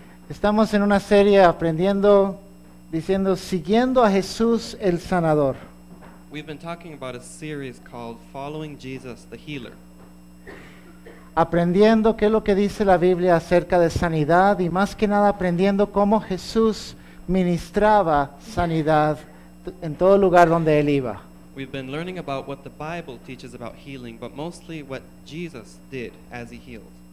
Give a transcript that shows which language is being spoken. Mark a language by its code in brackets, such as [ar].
[es] Estamos en una serie aprendiendo, diciendo, siguiendo a Jesús el sanador. [en] We've been talking about a series called Following Jesus the Healer. [es] Aprendiendo qué es lo que dice la Biblia acerca de sanidad y más que nada aprendiendo cómo Jesús ministraba sanidad en todo lugar donde él iba. [en] We've been learning about what the Bible teaches about healing, but mostly what Jesus did as he healed.